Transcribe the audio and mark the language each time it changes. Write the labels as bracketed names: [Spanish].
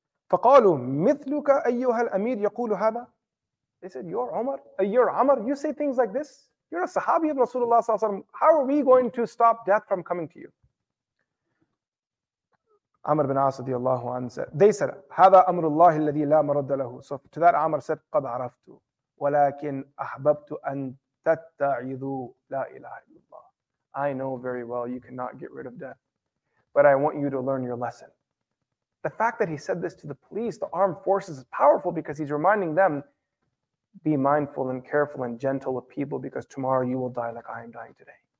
[Arabic] فَقَالُوا مِثْلُكَ أَيُّهَا الْأَمِيرُ يَقُولُ هَذَا. [English] They said, you're Umar, you say things like this? You're a Sahabi of Rasulullah صلى الله عليه وسلم. How are we going to stop death from coming to you? [Arabic] Amr bin As radiallahu anhu [English] said, they said, [Arabic] هَذَا أَمْرُ اللَّهِ الَّذِي لَا مَرَدَّ لَهُ. [English] So to that Amr said, [Arabic] قَدْ عَرَفْتُ وَلَكِنْ أَحْبَبْتُ أَنْ تَتَّعِذُوا لَا إِلَهَ إِلَّا اللَّهُ. [English] I know very well you cannot get rid of death, but I want you to learn your lesson. The fact that he said this to the police, the armed forces, is powerful because he's reminding them, be mindful and careful and gentle with people because tomorrow you will die like I am dying today.